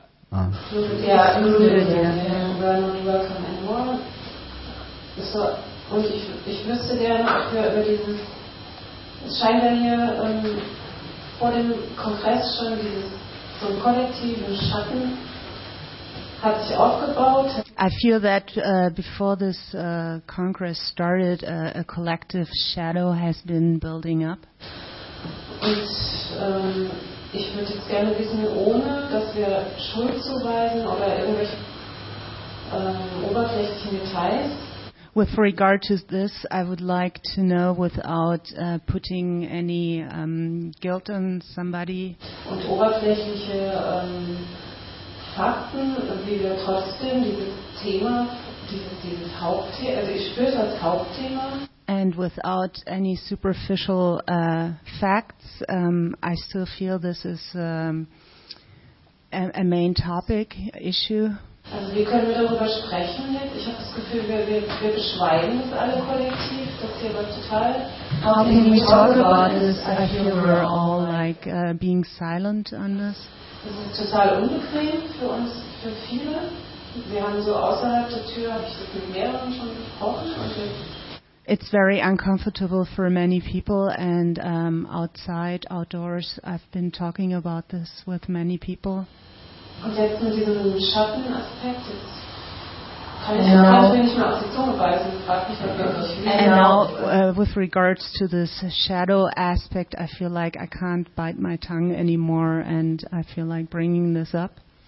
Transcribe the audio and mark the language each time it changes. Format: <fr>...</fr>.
<en>Yeah, included. Yeah, we're not welcome anymore.</en> <de>So, und ich wüsste gerne für über dieses. Es scheint ja hier vor dem Kongress schon dieses so ein kollektives Schatten.</de> <en>I feel that before this Congress started, a collective shadow has been building up.</en> <de>Ich würde jetzt gerne wissen, ohne dass wir Schuld zuweisen oder irgendwelche oberflächlichen Details.</de> <en>With regard to this, I would like to know without putting any guilt on somebody.</en> <de>Und oberflächliche Fakten, wie wir trotzdem dieses Thema, dieses Hauptthema, also ich spüre das Hauptthema.</de> <en>And without any superficial facts, I still feel this is a main topic issue.</en> <de>Also wie können wir darüber sprechen jetzt? Ich habe das Gefühl, wir beschweigen das alle kollektiv, das hier war total.</de> <en>How can we talk about this? I feel we're all like being silent on this.</en> <de>Das ist total unbequem für uns, für viele. Wir haben so außerhalb der Tür, habe ich das mit mehreren schon gesprochen.</de> <en>It's very uncomfortable for many people, and outside, outdoors, I've been talking about this with many people.</en> <de>Und jetzt mit diesem Schattenaspekt, jetzt</de> <en>And now, with regards to this shadow aspect, I feel like I can't bite my tongue anymore, and I feel like bringing this up.</en>